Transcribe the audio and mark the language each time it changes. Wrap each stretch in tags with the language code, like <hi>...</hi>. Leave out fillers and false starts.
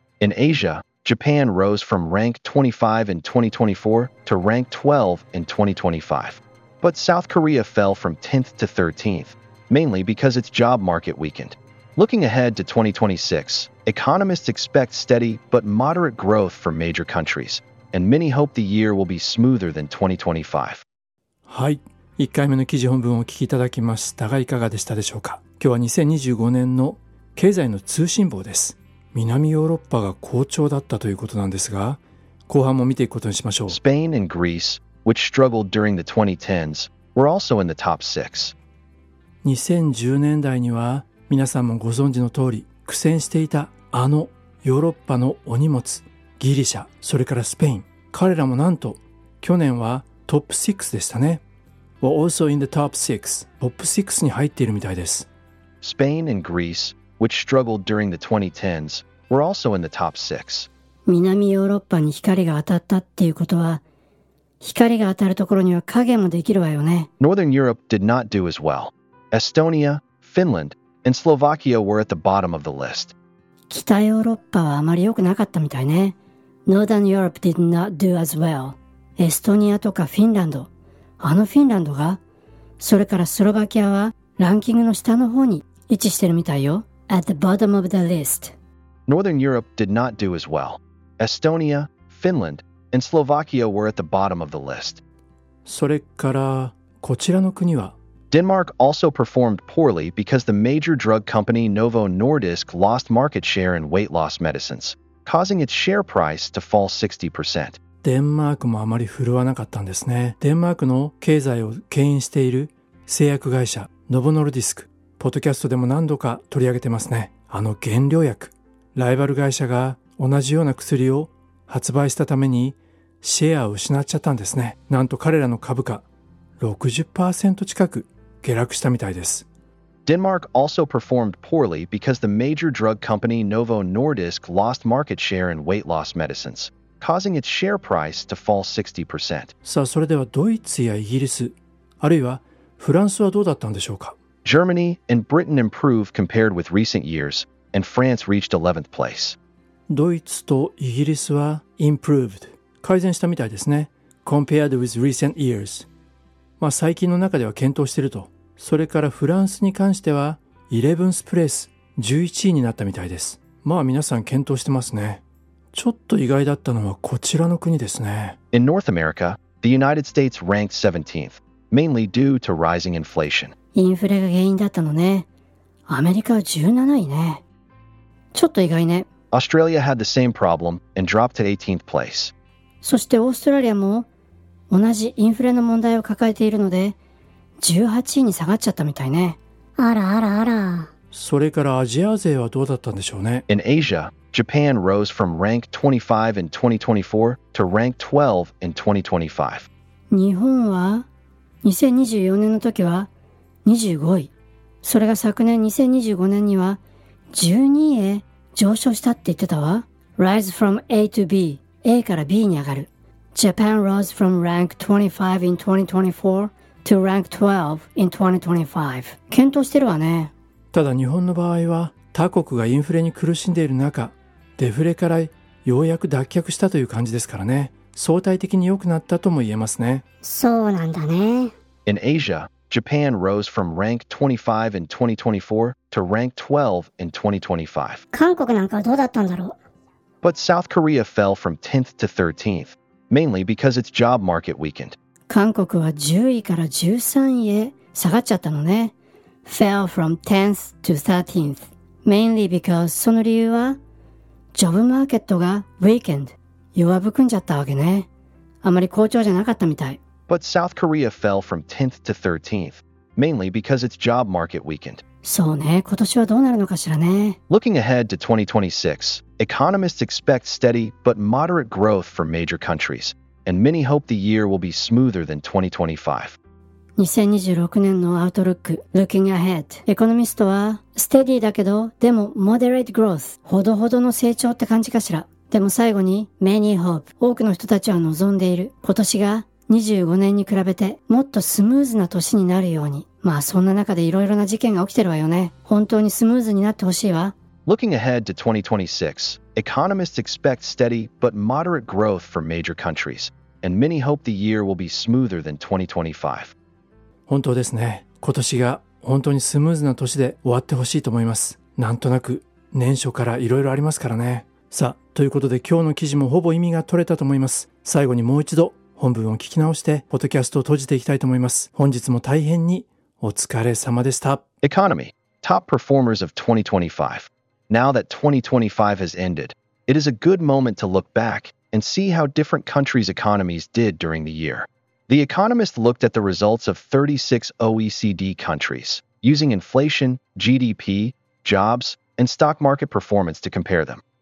<en>In Asia, Japan rose from ranked 25 in 2024 to ranked 12 in 2025. But South Korea fell from 10th to 13th, mainly because its job market weakened. Looking ahead to 2026, economists expect steady but moderate growth for major countries, and many hope the year will be smoother than 2025.</en> <ja>はい、1回目の記事本文をお聞きいただきましたが、いかがでしたでしょうか。今日は2025年の経済の通信簿です。南ヨーロッパが好調だったということなんですが、後半も見ていくことにしましょう。</ja> <en>Spain and Greece, which struggled during the 2010s, were also in the top six.</en> <ja>2010年代には、皆さんもご存知の通り苦戦していたあのヨーロッパのお荷物、ギリシャ、それからスペイン、彼らもなんと去年はトップ6でしたね。</ja> <en>We're also in the top 6.</en> <ja>トップ6に入っているみたいです。</ja> <en>Spain and Greece, which struggled during the 2010s, were also in the top 6.</en> <ja>南ヨーロッパに光が当たったっていうことは、光が当たるところには影もできるわよね。</ja> <en>Northern Europe did not do as well. Estonia, FinlandAnd Slovakia were at the bottom of the list.</en> <ja>北ヨーロッパはあまり良くなかったみたいね。</ja> <en>Northern Europe did not do as well.</en> <ja>エストニアとかフィンランド、あのフィンランドが、それからスロバキアはランキングの下の方に位置してるみたいよ。</ja> <en>At the bottom of the list. Northern Europe did not do as well. Estonia, Finland, and Slovakia were at the bottom of the list.</en> <ja>それからこちらの国は、</ja> <en>Denmark also performed poorly because the major drug company Novo Nordisk lost market share in weight loss medicines, causing its share price to fall 60%.</en> <ja>デンマークもあまり振るわなかったんですね。デンマークの経済を牽引している製薬会社、ノボノルディスク、ポッドキャストでも何度か取り上げてますね。あの原料薬、ライバル会社が同じような薬を発売したためにシェアを失っちゃったんですね。なんと彼らの株価、60% 近く下落したみたいです。</ja> <en>Denmark also performed poorly because the major drug company Novo Nordisk lost market share in weight loss medicines, causing its share price to fall 60%.</en> <ja>さあ、それではドイツやイギリス、あるいはフランスはどうだったんでしょうか。</ja> <en>Germany and Britain improved compared with recent years, and France reached 11th place.</en> <ja>ドイツとイギリスは</ja> <en>improved、</en> <ja>改善したみたいですね。</ja> <en>compared with recent years、</en> <ja>まあ、最近の中では検討していると。それからフランスに関しては</ja> <en>11th place、</en> <ja>11位になったみたいです。まあ皆さん検討してますね。ちょっと意外だったのはこちらの国ですね。</ja> <en>In North America, the United States ranked 17th, mainly due to rising inflation.</en> <ja>インフレが原因だったのね。アメリカは17位ね。ちょっと意外ね。</ja> <en>Australia had the same problem and dropped to 18th place.</en> <ja>そしてオーストラリアも同じインフレの問題を抱えているので18位に下がっちゃったみたいね。あらあらあら。それからアジア勢はどうだったんでしょうね。</ja> <en>In Asia, Japan rose from rank 25 in 2024 to rank 12 in 2025.</en> <ja>日本は2024年の時は25位、それが昨年2025年には12位へ上昇したって言ってたわ。</ja> <en>Rise from A to B、</en> <ja>A から B に上がる。</ja> <en>Japan rose from rank 25 in 2024 to rank 12 in 2025.</en> <ja>検討してるわね。ただ日本の場合は他国がインフレに苦しんでいる中、デフレからようやく脱却したという感じですからね。相対的に良くなったとも言えますね。そうなんだね。</ja> <en>In Asia, Japan rose from rank 25 in 2024 to rank 12 in 2025.</en> <ja>韓国なんかはどうだったんだろう。</ja> <en>But South Korea fell from 10th to 13th. Mainly because its job market weakened.</en> <ja>韓国は10位から13位へ下がっちゃったのね。</ja> <en>Fell from 10th to 13th. Mainly because</en> <ja>その理由は、ジョブマーケットが</ja> <en>weakened、</en> <ja>弱含んじゃったわけね。あまり好調じゃなかったみたい。</ja> <en>But South Korea fell from 10th to 13th. Mainly because its job market weakened.</en> <ja>そうね、今年はどうなるのかしらね。</ja> <en>Looking ahead to 2026, economists expect steady but moderate growth for major countries, and many hope the year will be smoother than 2025.</en> <ja>2026年のアウトルック</ja> <en>Looking Ahead</en> <ja>エコノミストはステディだけどでも</ja> <en>Moderate Growth</en> <ja>ほどほどの成長って感じかしら。でも最後に</ja> <en>Many Hope</en> <ja>多くの人たちは望んでいる今年が25年に比べてもっとスムーズな年になるように。まあそんな中でいろいろな事件が起きてるわよね。本当にスムーズになってほしいわ。</ja> <en>Looking ahead to 2026 Economists expect steady but moderate growth for major countries and many hope the year will be smoother than 2025.</en> <ja>本当ですね。今年が本当にスムーズな年で終わってほしいと思います。なんとなく年初からいろいろありますからね。さあ、ということで今日の記事もほぼ意味が取れたと思います。最後にもう一度本文を聞き直してポッドキャストを閉じていきたいと思います。本日も大変にお疲れ様でした。</ja> <en>Economy, top performers of 2025. Now that 2025 has ended, it is a good moment to look back and see how different countries' economies did during the year. The Economist looked at the results of 36 OECD countries, using inflation, GDP, jobs, and stock market performance to compare them.</en>